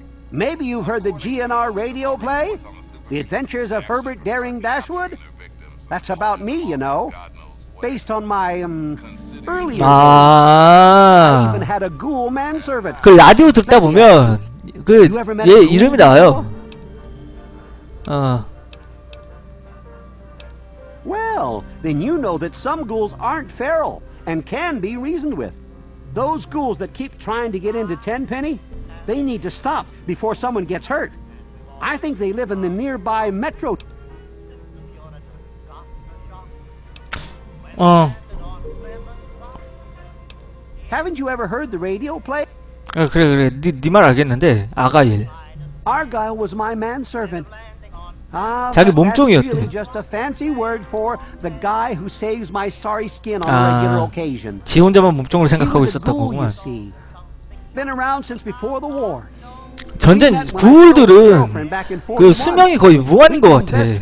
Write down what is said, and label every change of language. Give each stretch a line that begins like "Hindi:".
English: Maybe you've heard the GNR radio play? The Adventures of Herbert Daring Dashwood? That's about me, you know. Based on my, earlier... 아~ I even had a ghoul manservant.
Korean: 그 라디오 듣다 보면 그 얘 이름이 나와요.
English: Well, then you know that some ghouls aren't feral and can be reasoned with. Those ghouls that keep trying to get into Tenpenny, they need to stop before someone gets hurt. I think they live in the nearby metro. 하ven't you ever heard the radio play?
Korean: 아 그래 그래. 네 말 알겠는데. 아가일.
English: Argyle was my manservant.
Korean: 자기 몸종이었대.
English: Really just a fancy word for the guy who saves my sorry skin on regular occasion.
Korean: 지 혼자만 몸종으로 생각하고 있었다고구만.
English: Been around since before the war.
Korean: 전쟁 구울들은 그 수명이 거의 무한인 것 같아.